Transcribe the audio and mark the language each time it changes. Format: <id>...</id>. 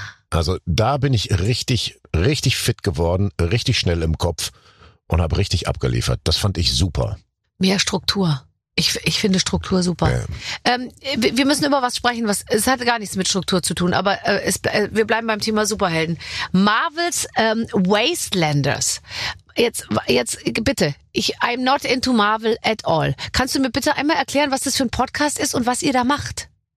<de>Also da bin ich richtig, richtig fit geworden, richtig schnell im Kopf und habe richtig abgeliefert. Das fand ich super. Mehr Struktur. Ich finde Struktur super. Ja. Wir müssen über was sprechen, es hat gar nichts mit Struktur zu tun, aber wir bleiben beim Thema Superhelden. Marvel's Wastelanders. Jetzt bitte.</de> <en>I'm not into Marvel at all.</en> <de>Kannst du mir bitte einmal erklären, was das für ein Podcast ist und was ihr da macht?</de>